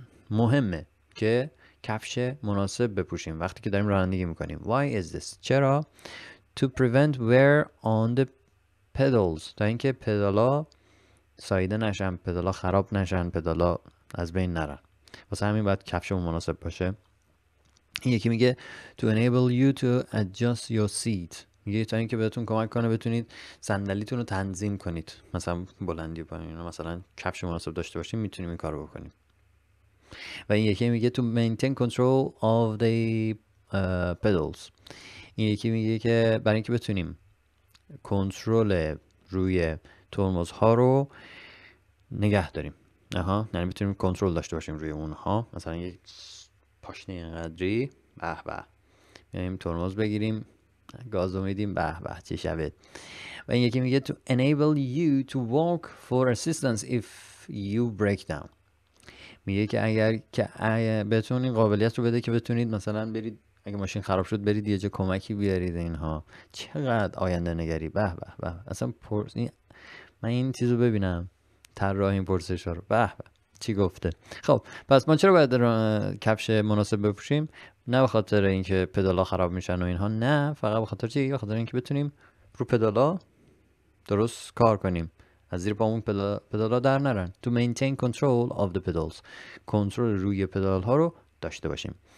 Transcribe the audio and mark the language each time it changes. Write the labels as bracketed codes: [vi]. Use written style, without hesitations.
[fa] مهمه که کفش مناسب بپوشیم وقتی که داریم رانندگی میکنیم. [en] Why is this? [fa] چرا؟ [en] To prevent wear on the pedals. [fa] تا اینکه پدالا سایده نشن، پدالا خراب نشن، پدالا از بین نرن. واسه همین باید کفشمون مناسب باشه. یکی میگه [en] To enable you to adjust your seat. [fa] میگه تا اینکه بهتون کمک کنه بتونید صندلیتون رو تنظیم کنید. مثلا بلندی پایین، مثلا کفش مناسب داشته باشیم، میتونیم این کار رو بکنیم. و این یکی میگه [en] To maintain control of the pedals. [fa] این یکی میگه که برای اینکه بتونیم کنترل روی ترمزها رو نگه داریم. آها، یعنی بتونیم کنترل داشته باشیم روی اونها. مثلا یک پاشنه اینقدری، به به، میانیم ترمز بگیریم، گاز رو میدیم، به به، چه شود. و این یکی میگه [en] To enable you to walk for assistance if you break down. [fa] میگه که اگر که بتونید قابلیت رو بده که بتونید مثلا برید اگه ماشین خراب شد برید یه جا کمکی بیارید. اینها چقدر آینده نگری، به به به. اصلا من این چیز رو ببینم، طراح این پرسش ها رو، به به، چی گفته. خب پس ما چرا باید کفش مناسب بپوشیم؟ نه به خاطر اینکه پدالا خراب میشن و اینها، نه، فقط به خاطر چی؟ به خاطر اینکه بتونیم رو پدالا درست کار کنیم، از زیر پامون پدالا در نرن. [en] To maintain control of the pedals. [fa] کنترل روی پدال ها رو داشته باشیم.